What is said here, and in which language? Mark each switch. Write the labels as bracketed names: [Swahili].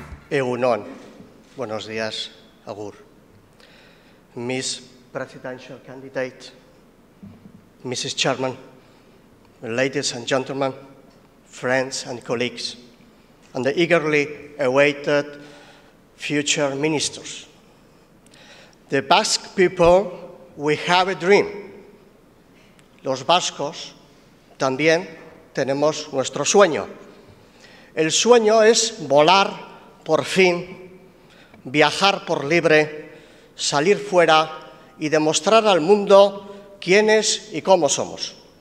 [Basque] Egunon, [Spanish] buenos días, [Basque] agur. [English] Miss Presidential Candidate, Mrs. Chairman, ladies and gentlemen, friends and colleagues, and the eagerly awaited future ministers. The Basque people, we have a dream. [Spanish] Los vascos también tenemos nuestro sueño. El sueño es volar por fin, viajar por libre, salir fuera y demostrar al mundo quiénes y cómo somos.